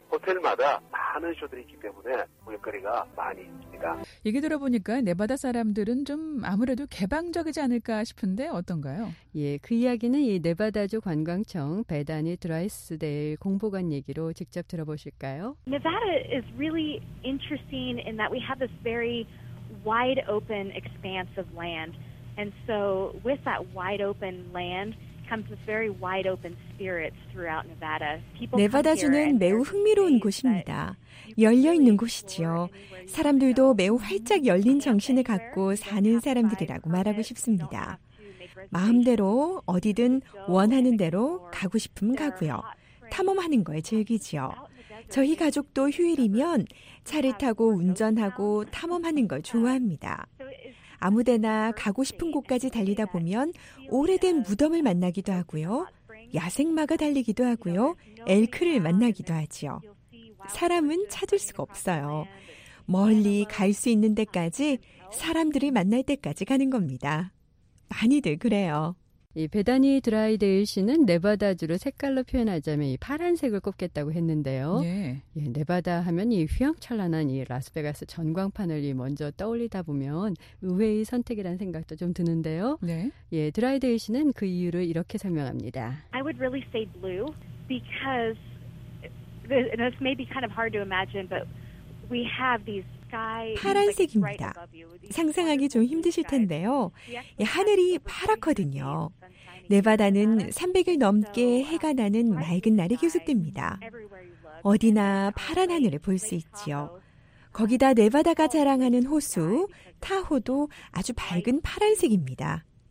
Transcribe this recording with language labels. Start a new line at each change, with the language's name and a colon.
Korean: 호텔마다 많은 쇼들이 있기 때문에 물거리가 많이 있습니다. 얘기 들어보니까 네바다 사람들은 좀 아무래도 개방적이지 않을까 싶은데 어떤가요? 예, 그 이야기는 이 네바다주 관광청 베다니 드라이스데일 공보관 얘기로 직접 들어보실까요?
English: Nevada is really interesting in that we have this very wide open expanse of land. And so with that wide open land comes this very wide open spirit throughout Nevada.
Korean: 네바다주는 매우 흥미로운 곳입니다. 열려 있는 곳이지요. 사람들도 매우 활짝 열린 정신을 갖고 사는 사람들이라고 말하고 싶습니다. 마음대로 어디든 원하는 대로 가고 싶으면 가고요. 탐험하는 거에 즐기지요. 저희 가족도 휴일이면 차를 타고 운전하고 탐험하는 걸 좋아합니다. 아무데나 가고 싶은 곳까지 달리다 보면 오래된 무덤을 만나기도 하고요. 야생마가 달리기도 하고요. 엘크를 만나기도 하지요. 사람은 찾을 수가 없어요. 멀리 갈 수 있는 데까지 사람들을 만날 때까지 가는 겁니다. 많이들 그래요. 이 베다니 드라이데일 씨는 네바다주를 색깔로 표현하자면 이 파란색을 꼽겠다고 했는데요. 네. 예, 네바다 하면 이 휘황찬란한 이 라스베가스 전광판을 이 먼저 떠올리다 보면 의외의 선택이라는 생각도 좀 드는데요. 네. 예, 드라이데일 씨는 그 이유를 이렇게 설명합니다.
English: I would really say blue because this may be kind of hard to imagine, but we have these.
Korean: 파란색입니다. 상상하기 좀 힘드실 텐데요. 하늘이 파랗거든요. 네바다는 300일 넘게 해가 나는 맑은 날이 계속됩니다. 어디나 파란 하늘을 볼 수 있지요. 거기다 네바다가 자랑하는 호수, 타호도 아주 밝은 파란색입니다.